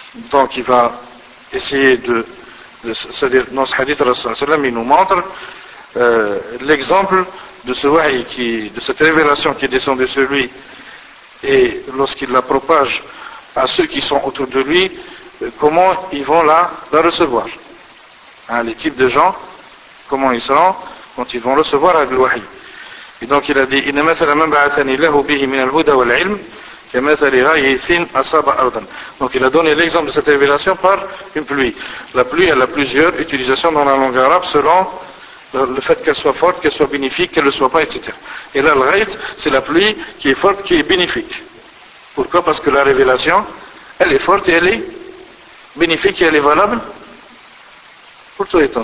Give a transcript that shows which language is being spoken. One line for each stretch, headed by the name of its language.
French: Donc il va essayer de c'est-à-dire, dans ce hadith, Rasulullah sallam, il nous montre, l'exemple de ce wahi qui, de cette révélation qui est descendue sur lui, et lorsqu'il la propage à ceux qui sont autour de lui, comment ils vont la recevoir. Hein, les types de gens, comment ils seront quand ils vont recevoir le wahi. Et donc il a dit,
Arabic: إِنَّ مَثَلَ مَنْ بَعَثَنِ اللَّهُ بِهِ مِنَ الْهُدَى وَالْعِلْمِ كَمَثَلِ غَيْثٍ أَصَابَ أَرْضًا.
French: Donc il a donné l'exemple de cette révélation par une pluie. La pluie, elle a plusieurs utilisations dans la langue arabe selon le fait qu'elle soit forte, qu'elle soit bénéfique, qu'elle ne le soit pas, etc. Et là, le ghayth, c'est la pluie qui est forte, qui est bénéfique. Pourquoi? Parce que la révélation, elle est forte et elle est bénéfique et elle est valable pour tous les temps.